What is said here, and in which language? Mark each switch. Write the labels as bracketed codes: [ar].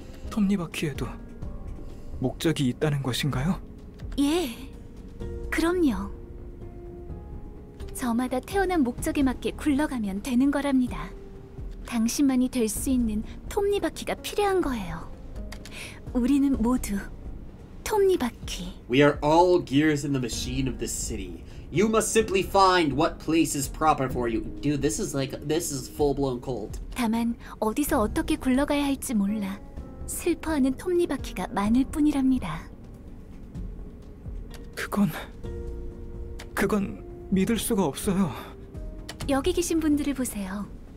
[ko] 톱니바퀴에도 목적이 있다는 것인가요? 예, 그럼요. 저마다 태어난 목적에 맞게 굴러가면 되는 거랍니다. 당신만이 될 수 있는 톱니바퀴가 필요한 거예요. 우리는 모두 톱니바퀴. [en] We are all gears in the machine of this city. You must simply find what place is proper for you. Dude, this is full-blown cult. [ko] 다만 어디서 어떻게 굴러가야 할지 몰라 슬퍼하는 톱니바퀴가 많을 뿐이랍니다. 그건... 그건 믿을 수가 없어요. 여기 계신 분들을 보세요.